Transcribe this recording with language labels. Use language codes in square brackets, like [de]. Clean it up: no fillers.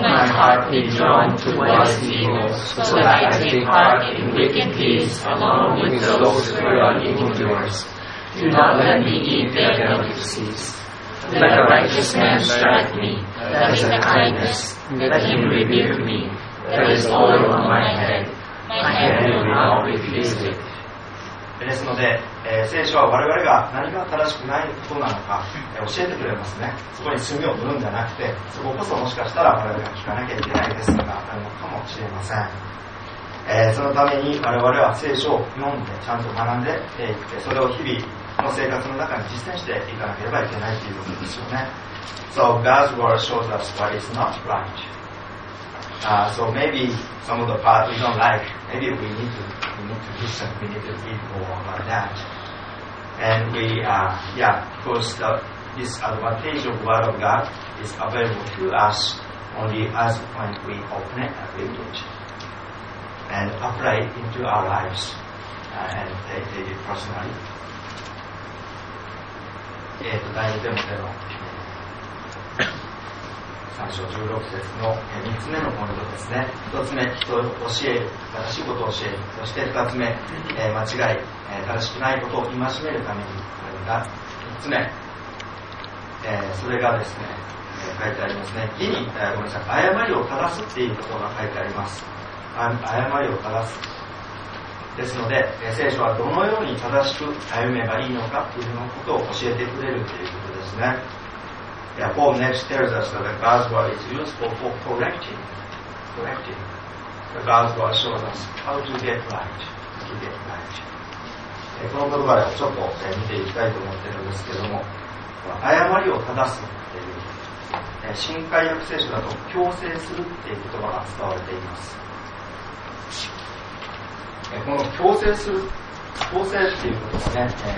[en] my heart is drawn towards evil, so that I take part in wicked deeds along with those who are evildoers. Do not let me eat their delicacies. Let a righteous man strike me, that is a kindness. Let him rebuke me, that is oil on my head. My head will now refuse it. [ja] ですので、聖書は我々が何が正しくないことなのか、教えてくれますね。そこに墨を塗るんじゃなくて、そここそもしかしたら我々が聞かなきゃいけないですがあるのかもしれません。そのために我々は聖書を読んでちゃんと学んで、それを日々の生活の中に実践していかなければいけないということですよね。 [en] So God's word shows us what is not right. So maybe some of the part we don't like, maybe we need to listen, we need to read more about that. And because this advantage of the Word of God is available to us only as when we open it and read it and apply it into our lives and take it personally. [ja] 第2テモテの3章16節の3つ目のポイントですね。 1つ目、人を教える、正しいことを教える。そして2つ目、間違い、正しくないことを戒めるために。これが3つ目、それがですね、書いてありますね。義に、ごめんなさい、誤りを正すっていうことが書いてあります。誤りを正すですので、聖書はどのように正しく歩めばいいのかというのことを教えてくれるということですね。 [en] Yeah, Paul next tells us that the God's word is useful for correcting. The God's word shows us how to get right. [ja] この言葉をちょっと見ていきたいと思っているんですけども、誤りを正すっていう、新改訳聖書だと矯正するっていう言葉が使われています。この矯正する、矯正っていうことですね。